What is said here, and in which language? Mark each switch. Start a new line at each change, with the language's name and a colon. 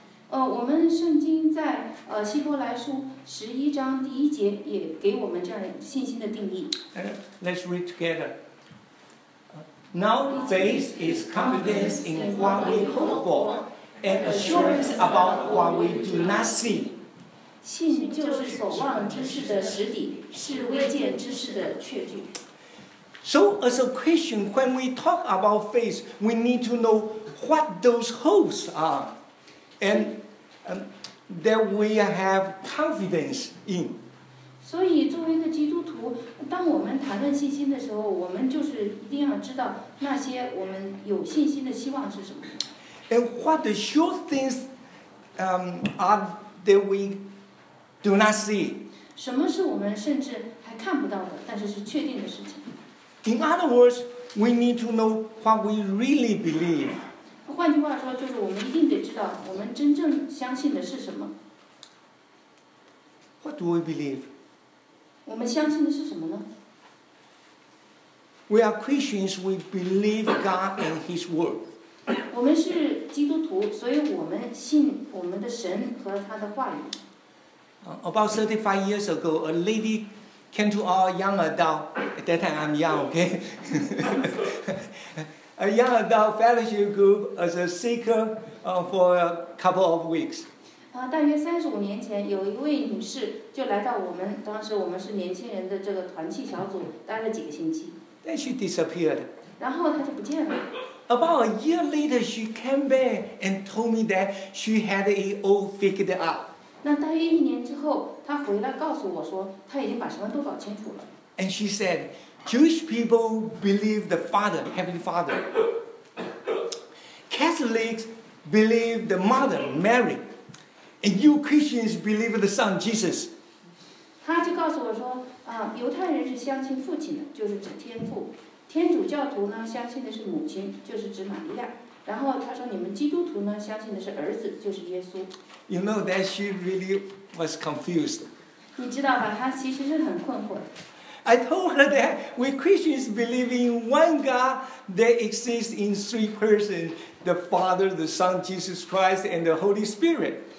Chinese: 我们圣经在希伯来书十一章第一节也给我们这样信心的定义。
English: Let's read together. Now faith is confidence in what we hope for and assurance about what we do not see.
Chinese: 信就是所望之事的实底，是未见之事的确据。
English: So as a Christian, when we talk about faith, we need to know what those hopes are and that we have confidence in.
Chinese: 所以作为一个基督徒，当我们谈论信心的时候，我们就是一定要知道那些我们有信心的希望是什么。
English: And what the sure things are that we do not see?
Chinese: 什么是我们甚至还看不到的，但是是确定的事情。
English: In other words, we need to know what we really believe.
Chinese: 换句话说，就是我们一定得知道我们真正相信的是什么。
English: What do we believe?
Chinese: 我们相信的是什么呢？
English: We are Christians, we believe God and His Word.
Chinese: 我们是基督徒，所以我们信我们的神和他的话语。
English: About 35 years ago, a lady came to our young adult, at that time I'm young, okay? a young adult fellowship group as a seeker for a couple of weeks.
Chinese: 大约35年前有一位女士就来到我们，当时我们是年轻人的这个团契小组，待了几个星期。
English: Then she disappeared.
Chinese: 然后她就不见了。
English: About a year later, she came back and told me that she had it all figured out.
Chinese: 那大约一年之后，他回来告诉我说，他已经把什么都搞清楚了。
English: And she said, Jewish people believe the Father, Heavenly Father. Catholics believe the Mother, Mary. And you Christians believe the Son, Jesus.
Chinese: 他就告诉我说，犹太人是相信父亲的，就是指天父。天主教徒呢，相信的是母亲，就是指玛利亚。然后他说你们基督徒呢相信的是儿子就是耶稣。
English: You know that she really was confused.
Chinese: 你知道吧他其实是很困惑的。
English: I told her that we Christians believe in one God that exists in three persons, the Father, the Son, Jesus Christ, and the Holy Spirit.